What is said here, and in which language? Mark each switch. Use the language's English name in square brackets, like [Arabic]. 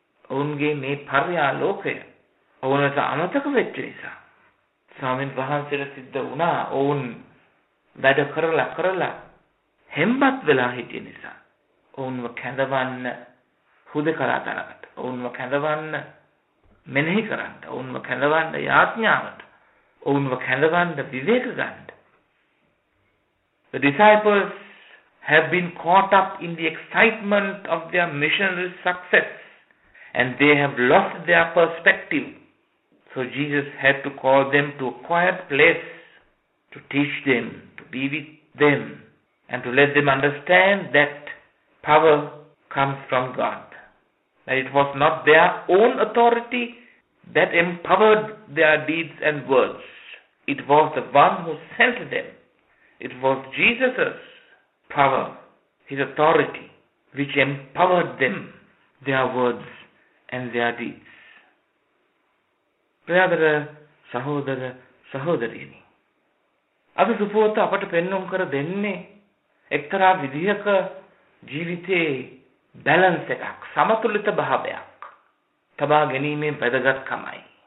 [Sinhala] ඔවුන්ගේ මේ පර්යාලෝකය ඔවුනට අමතක වෙච්ච නිසා ස්වාමීන් වහන්සේට සිද්ධ වුණා ඔවුන් වැඩ කරලා කරලා හෙම්බත් වෙලා හිටිය නිසා ඔවුන්ව කැඳවන්න හුදකලා තැනකට, ඔවුන්ව කැඳවන්න මෙනෙහි කරන්න, ඔවුන්ව කැඳවන්න යාඥාවට, ඔවුන්ව කැඳවන්න විවේක ගන්න. [English] The disciples have been caught up in the excitement of their missionary success and they have lost their perspective. So Jesus had to call them to a quiet place to teach them, to be with them, and to let them understand that power comes from God. That it was not their own authority that empowered their deeds and words. It was the one who sent them It was Jesus' power, his authority, which empowered them, their words and their deeds. [Sinhala] ප්‍රියතර සහෝදර සහෝදරියනි, අද සුපුවත අපට පෙන්වුම් කර දෙන්නේ එක්තරා විදිහක ජීවිතයේ balance එකක්, සමතුලිත භාවයක් තබා ගැනීමේ වැදගත්කමයි.